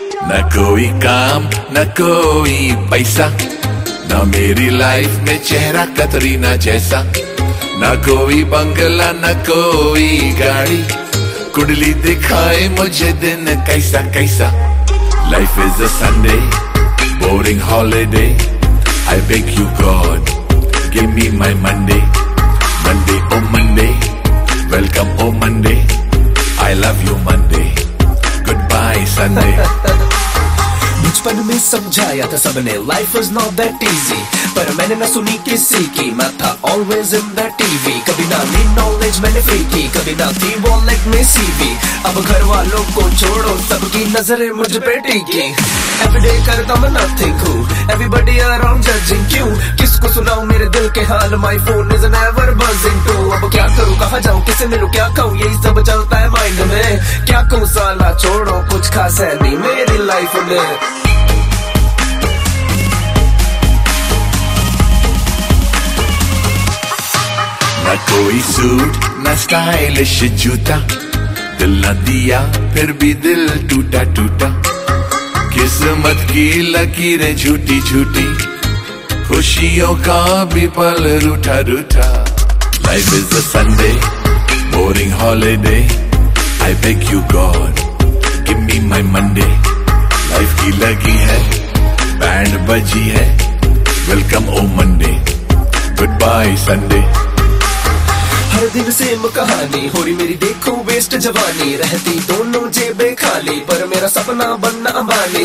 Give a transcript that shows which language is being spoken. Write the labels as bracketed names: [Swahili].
[Hindi] ना कोई काम ना कोई पैसा, ना मेरी लाइफ में चेहरा कतरीना जैसा, ना कोई बंगला ना कोई गाड़ी, कुंडली दिखाए मुझे दिन कैसा कैसा। [English] Life is a Sunday, boring holiday, I beg you God, give me my Monday. Monday, oh Monday, welcome oh Monday, I love you Monday, goodbye Sunday. [Hindi] बचपन में समझाया था सबने, [English] life was not that easy, [Hindi] पर मैंने ना सुनी किसी की, मैं था [English] always in the TV, [Hindi] कभी ना नी knowledge मैंने free की, कभी ना थी वो like में CV, अब घर वालों को छोड़ो, सबकी नजरें मुझ पे टिकी, everyday करता मैं nothing हूँ, [English] everybody around judging [Hindi] क्यों, किसको सुनाऊँ मेरे दिल के हाल, [English] my phone is never buzzing too, [Hindi] अब क्या करूँ कहाँ जाऊँ किसे मिलूँ क्या कहूँ, यही सब चलता है mind में, क्या कहूँ साला छोड़ो कुछ खास है नहीं मेरी life में। ना कोई सूट ना स्टाइलिश जूता, दिल ना दिया फिर भी दिल टूटा टूटा, किस्मत की लकीरें झूठी झूठी, खुशियों का भी पल रूठा रूठा। Life is a Sunday, boring holiday, I beg you God, give me my Monday. Life की लगी है बैंड बजी है, [English] Welcome oh Monday, goodbye Sunday. [Hindi] हर दिन सेम कहानी हो रही मेरी, देखो वेस्ट जवानी, रहती दोनों जेबें खाली, पर मेरा सपना बनना अंबानी।